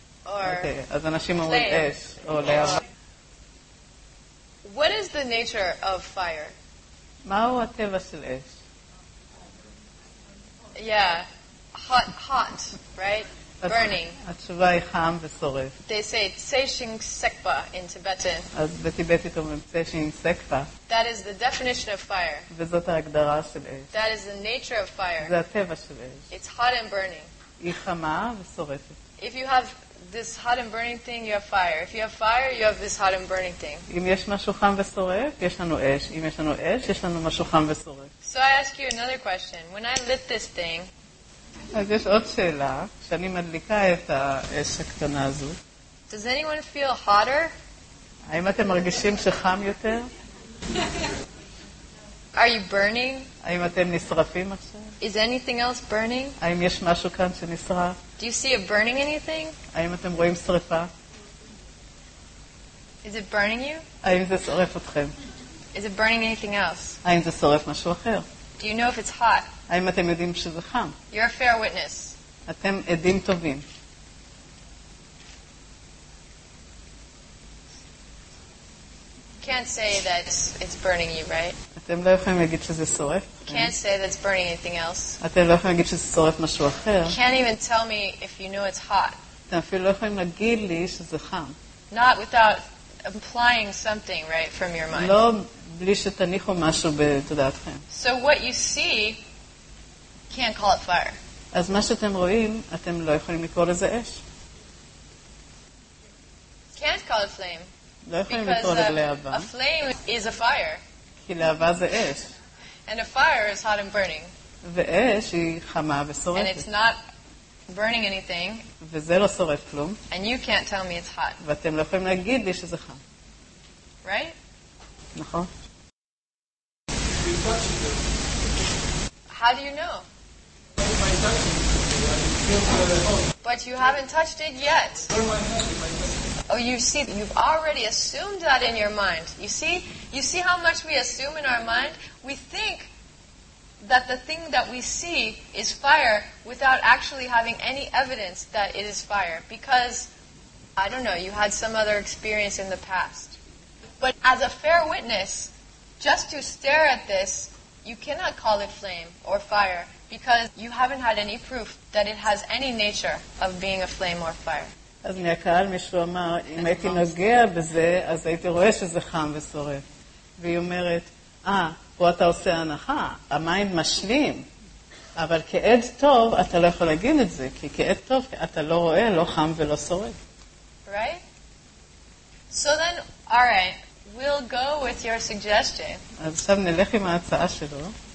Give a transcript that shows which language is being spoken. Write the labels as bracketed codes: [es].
[he] Okay, אז אנשים אומרים אש או להבה. [en] What is the nature of fire? [he] מהו הטבע של אש? [en] Yeah, hot, right? Burning. [he] התשובה היא חם ושורף. [en] They say tseshing sekpa in Tibetan. [he] אז בטיבטית אומרים tseshing sekpa. [en] That is the definition of fire. [he] וזאת ההגדרה של אש. [en] That is the nature of fire. [he] זה הטבע של אש. [en] It's hot and burning. [he] היא חמה ושורפת. [en] If you have this hot and burning thing, you have fire. If you have fire, you have this hot and burning thing. [he] אם יש משהו חם ושורף, יש לנו אש. אם יש לנו אש, יש לנו משהו חם ושורף. [en] So I ask you another question. When I lit this thing, [he] אז יש עוד שאלה, כשאני מדליקה את האש הקטנה הזו. [en] Does anyone feel hotter? [he] האם אתם מרגישים שחם יותר? [en] Are you burning? [he] האם אתם נשרפים עכשיו? [en] Is anything else burning? [he] האם יש משהו כאן שנשרף? [en] Do you see a burning anything? [he] האם אתם רואים שריפה? [en] Is it burning you? [he] האם זה שורף אתכם? [en] Is it burning anything else? [he] האם זה שורף משהו אחר? [en] Do you know if it's hot? [he] האם אתם יודעים שזה חם? [en] You're a fair witness. [he] אתם עדים טובים. [en] Can't say that it's burning you, right? [he] אתם לא יכולים להגיד שזה שורף. [en] Can't say that it's burning anything else. [he] אתם לא יכולים להגיד שזה שורף משהו אחר. [en] Can't even tell me if you know it's hot. [he] אתם אפילו לא יכולים להגיד לי שזה חם. [en] Not without implying something, right, from your mind. [he] לא בלי שתניחו משהו בתודעתכם. [en] So what you see, can't call it fire. [he] אז מה שאתם רואים, אתם לא יכולים לקרוא לזה אש. [en] Can't call it flame. [he] לא יכולים לקרוא לזה להבה. [en] Because a flame is a fire. [he] כי להבה זה אש. [en] And a fire is hot and burning. [he] ואש היא חמה ושורפת. [en] And it's not burning anything. [he] וזה לא שורף כלום. [en] And you can't tell me it's hot. [he] ואתם לא יכולים להגיד לי שזה חם. [en] Right? [he] נכון. [en] How do you know? But you haven't touched it yet. Oh, you see, you've already assumed that in your mind. You see how much we assume in our mind? We think that the thing that we see is fire without actually having any evidence that it is fire. Because, I don't know, you had some other experience in the past. But as a fair witness, just to stare at this, you cannot call it flame or fire. Because you haven't had any proof that it has any nature of being a flame or fire. [he] אז מהקהל מישהו אמר, אם הייתי נוגע בזה, אז הייתי רואה שזה חם ושורף. והיא אומרת, פה אתה עושה הנחה, המיינד משלים. אבל כעד טוב, אתה לא יכול להגיד את זה, כי כעד טוב, אתה לא רואה, לא חם ולא שורף. [en] Right? So then, all right, we'll go with your suggestion. [he] אז עכשיו נלך עם ההצעה שלו.